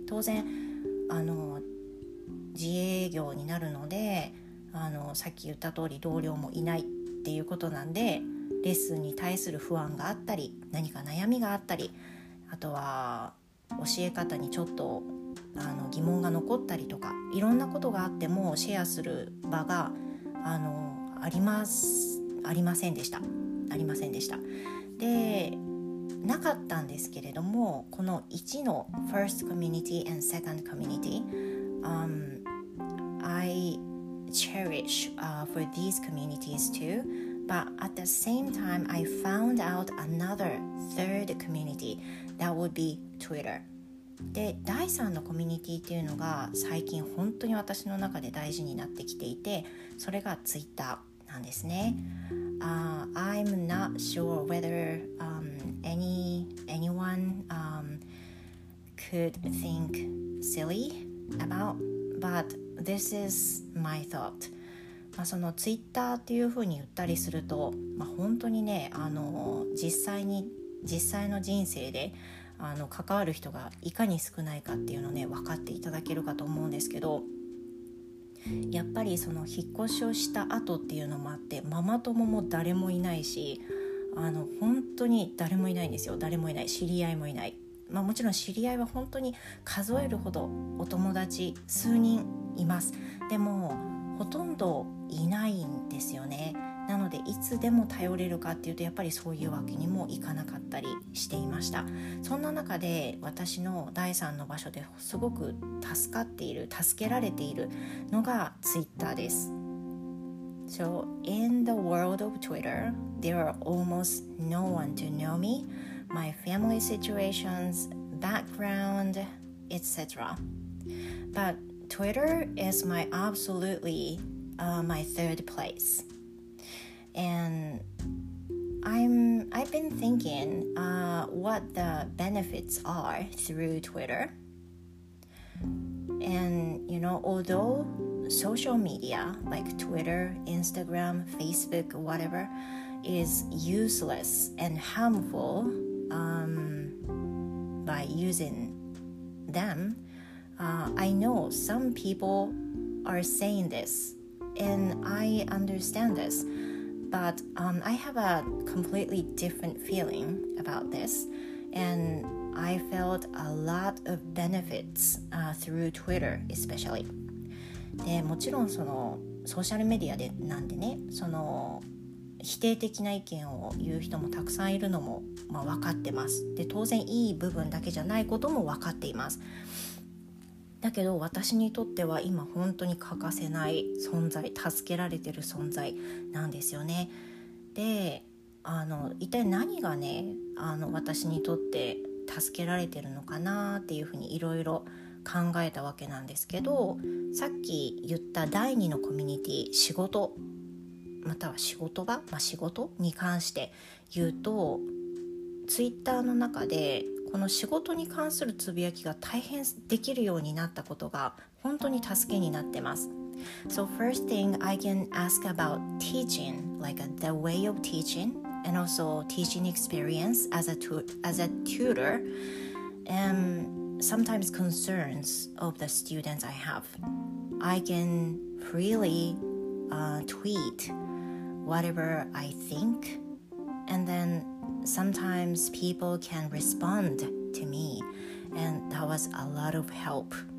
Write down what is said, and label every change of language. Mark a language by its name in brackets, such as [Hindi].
[Japanese] 当然自営業になるので、さっき言った通り同僚もいないっていうことなんで、レッスンに対する不安があったり何か悩みがあったり、あとは教え方にちょっと疑問が残ったりとか、いろんなことがあってもシェアする場がありませんでした。ありませんでした。でなかったんですけれども、この1の [English] First Community and Second Community、I cherish、for these communities too, but at the same time I found out another third community, that would be Twitter. [Japanese] で第3のコミュニティっていうのが最近本当に私の中で大事になってきていて、それが Twitter なんですね。 [English] I'm not sure whether、anyone、could think silly about, but this is my thought. [Japanese] まあそのツイッターっていうふうに言ったりすると、まあ、本当にね、実際の人生で関わる人がいかに少ないかっていうのね、分かっていただけるかと思うんですけど、やっぱりその引っ越しをした後っていうのもあって、ママ友も誰もいないし、本当に誰もいないんですよ。誰もいない、知り合いもいない、まあ、もちろん知り合いは本当に数えるほどお友達数人います。でもほとんどいないんですよね。なのでいつでも頼れるかっていうと、やっぱりそういうわけにもいかなかったりしていました。そんな中で私の第三の場所ですごく助かっている、助けられているのがツイッターです。 [English] So in the world of Twitter, there are almost no one to know me, my family situations, background, etc. But Twitter is my absolutely, my third place. And I've been thinking what the benefits are through Twitter. And, you know, although social media like Twitter, Instagram, Facebook, whatever, is useless and harmful by using them, I know some people are saying this, and I understand this. But I have a completely different feeling about this, and I felt a lot of benefits through Twitter, especially. [Japanese] で、もちろんそのソーシャルメディアでなんでね、その否定的な意見を言う人もたくさんいるのも、まあ、分かってます。で、当然いい部分だけじゃないことも分かっています。だけど私にとっては今本当に欠かせない存在、助けられてる存在なんですよね。で、一体何がね、私にとって助けられてるのかなっていうふうにいろいろ考えたわけなんですけど、さっき言った第二のコミュニティ、仕事または仕事場、まあ、仕事に関して言うと、ツイッターの中でこの仕事に関するつぶやきが大変できるようになったことが本当に助けになってます。 [English] So first thing I can ask about teaching, like the way of teaching, and also teaching experience as a tutor, and sometimes concerns of the students I have. I can freely tweet whatever I think, and then sometimes people can respond to me, and that was a lot of help.